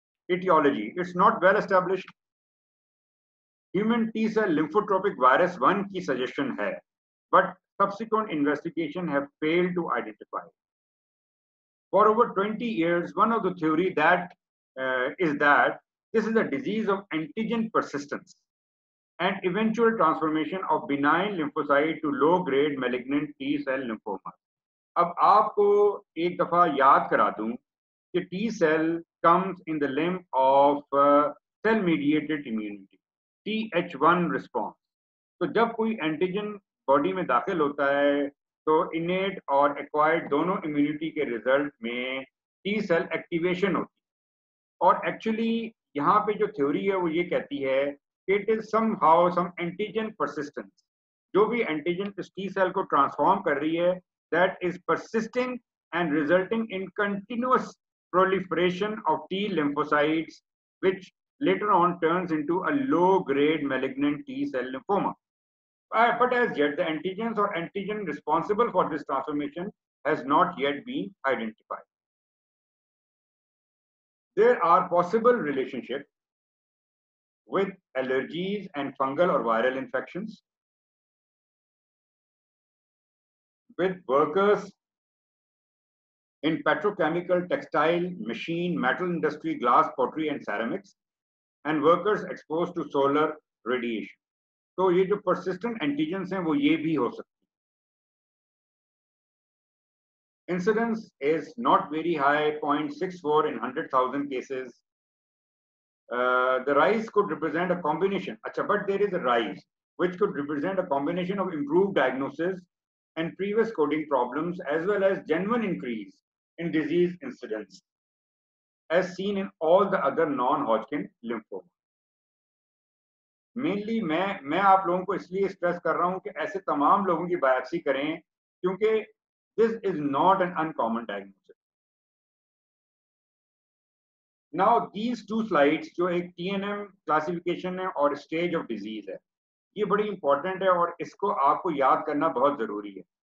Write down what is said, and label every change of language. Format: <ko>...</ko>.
<en>Aetiology, it's not well established. Human T cell lymphotropic virus 1 की suggestion है, but subsequent investigation have failed to identify. For over 20 years one of the theory that is that this is a disease of antigen persistence and eventual transformation of benign lymphocyte to low-grade malignant T-cell lymphoma.</en> <hi>अब आपको एक दफा याद करा दूं कि</hi> <en>T cell comes in the lymph of cell mediated immunity TH1 response.</en> <hi>तो जब कोई एंटीजन बॉडी में दाखिल होता है तो इनेट और एक्वायर्ड दोनों इम्यूनिटी के रिजल्ट में टी सेल एक्टिवेशन होती है. और एक्चुअली यहाँ पे जो थ्योरी है वो ये कहती है कि</hi> <en>it is somehow some antigen persistence,</en> <hi>जो भी एंटीजन इस टी सेल को ट्रांसफॉर्म कर रही है,</hi> <en>that is persisting and resulting in continuous proliferation of T lymphocytes, which later on turns into a low-grade malignant T cell lymphoma. But as yet, the antigens or antigen responsible for this transformation has not yet been identified. There are possible relationships with allergies and fungal or viral infections, with workers in petrochemical, textile, machine, metal industry, glass, pottery and ceramics, and workers exposed to solar radiation.</en> <hi>So ye jo persistent antigens hain wo ye bhi ho sakte hain.</hi> <en>Incidence is not very high, 0.64 in 100,000 cases. The rise could represent a combination, acha, but there is a rise which could represent a combination of improved diagnosis and previous coding problems, as well as genuine increase in disease incidence, as seen in all the other non-Hodgkin lymphoma.</en> <hi>Mainly, मैं आप लोगों को इसलिए stress कर रहा हूँ कि ऐसे तमाम लोगों की biopsy करें, क्योंकि</hi> <en>this is not an uncommon diagnosis. Now, these two slides</en> <hi>जो एक TNM classification है और stage of disease है, ये बड़ी important है और इसको आपको याद करना बहुत जरूरी है.</hi>